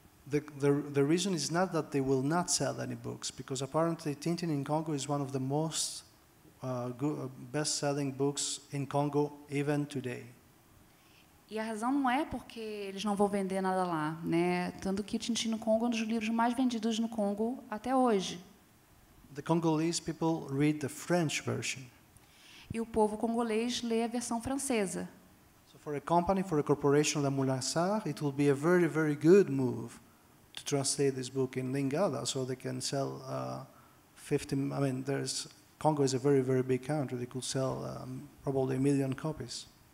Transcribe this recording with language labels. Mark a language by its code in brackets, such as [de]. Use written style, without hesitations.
[en] The reason is not that they will not sell any books, because apparently Tintin in Congo is one of the most best-selling books in Congo even today. [pt] E a razão não é porque eles não vão vender nada lá, né? Tanto que Tintin no Congo é um dos livros mais vendidos no Congo até hoje. [en] The Congolese people read the French version. [pt] E o povo congolês lê a versão francesa. [en] So for a company, for a corporation like Moulin Sarr, it will be a very, very good move to translate this book in Lingala, so they can sell 50. I mean, there's Congo is a very, very big country. They could sell probably a million copies.